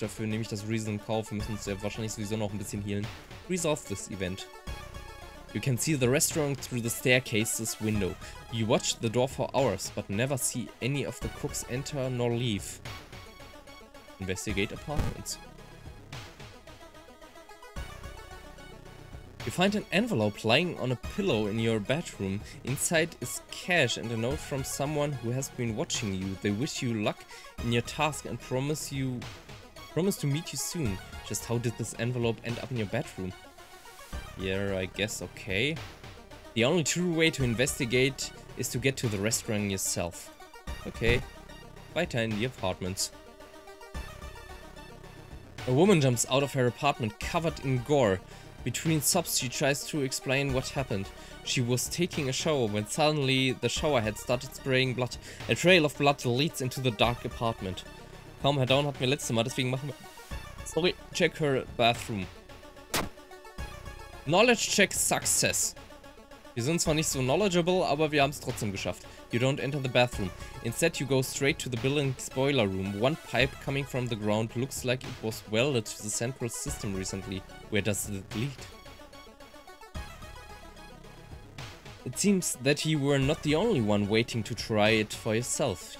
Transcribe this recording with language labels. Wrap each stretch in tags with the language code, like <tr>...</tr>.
<de>Dafür nehme ich das Reason in Kauf. Wir müssen uns ja wahrscheinlich sowieso noch ein bisschen healen.</de> <en>Resolve this event. You can see the restaurant through the staircase's window. You watch the door for hours, but never see any of the cooks enter nor leave. Investigate apartments. You find an envelope lying on a pillow in your bedroom. Inside is cash and a note from someone who has been watching you. They wish you luck in your task and promise to meet you soon. Just how did this envelope end up in your bedroom? Yeah, I guess okay. The only true way to investigate is to get to the restaurant yourself. Okay, weiter in the apartments. A woman jumps out of her apartment covered in gore. Between sobs, she tries to explain what happened. She was taking a shower when suddenly the shower head started spraying blood. A trail of blood leads into the dark apartment. Calm her down</en> <de>hatten wir letztes Mal, deswegen machen wir...</de> <en>Sorry, check her bathroom. Knowledge check success.</en> <de>Wir sind zwar nicht so knowledgeable, aber wir haben es trotzdem geschafft.</de> <en>You don't enter the bathroom. Instead, you go straight to the building's boiler room. One pipe coming from the ground looks like it was welded to the central system recently. Where does it lead? It seems that you were not the only one waiting to try it for yourself.</en>